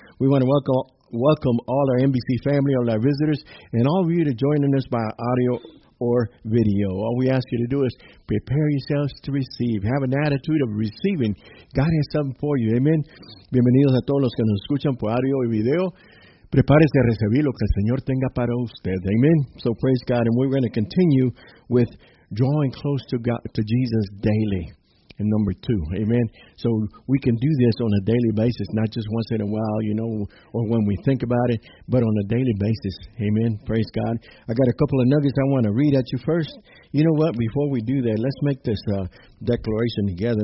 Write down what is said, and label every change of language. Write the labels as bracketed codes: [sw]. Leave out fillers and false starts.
[en] We want to welcome all our NBC family, all our visitors, and all of you to joining us by audio or video. All we ask you to do is prepare yourselves to receive. Have an attitude of receiving. God has something for you. Amen. [es] Bienvenidos a todos los que nos escuchan por audio y video. Prepárese a recibir lo que el Señor tenga para usted. [en] Amen. So praise God. And we're going to continue with drawing close to God, to Jesus daily. And number two. Amen. So we can do this on a daily basis, not just once in a while, you know, or when we think about it, but on a daily basis. Amen. Praise God. I got a couple of nuggets I want to read at you first. You know what? Before we do that, let's make this declaration together.